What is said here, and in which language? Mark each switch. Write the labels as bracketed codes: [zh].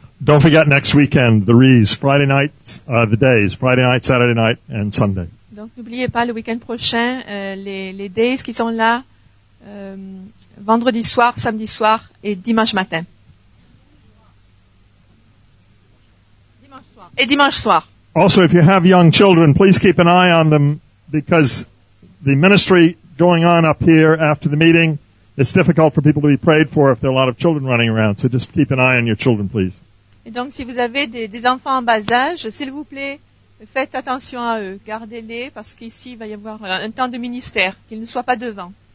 [en] Don't forget next weekend, the Rees, Friday nights, the days, Friday night, Saturday night, and Sunday. [fr] Donc n'oubliez pas le week-end prochain, les days qui sont là, vendredi soir, samedi soir, et dimanche matin. Et dimanche soir. [en] Also, if you have young children, please keep an eye on them, because the ministry going on up here after the meeting, it's difficult for people to be prayed for if there are a lot of children running around. So just keep an eye on your children, please. [fr] Et donc, si vous avez des enfants en bas âge, s'il vous plaît, faites attention à eux. Gardez-les, parce qu'ici, il va y avoir un temps de ministère. Qu'ils ne soient pas devant.